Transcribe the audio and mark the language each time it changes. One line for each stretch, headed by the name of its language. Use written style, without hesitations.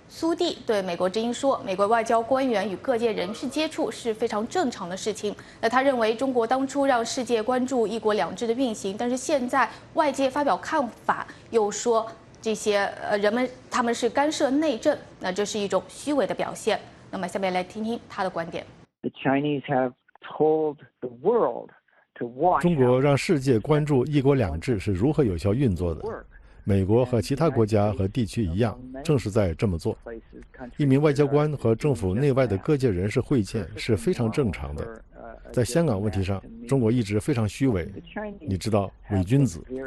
Chinese: 苏蒂对美国之音说，美国外交官员与各界人士接触是非常正常的事情。那他认为中国当初让世界关注一国两制的运行，但是现在外界发表看法又说这些人们他们是干涉内政，那这是一种虚伪的表现。那么下面来听听他的观点。
English: The Chinese have told the world to watch.
Chinese: 中国让世界关注一国两制是如何有效运作的。美国和其他国家和地区一样，正是在这么做。一名外交官和政府内外的各界人士会见是非常正常的。在香港问题上，中国一直非常虚伪，你知道，伪君子。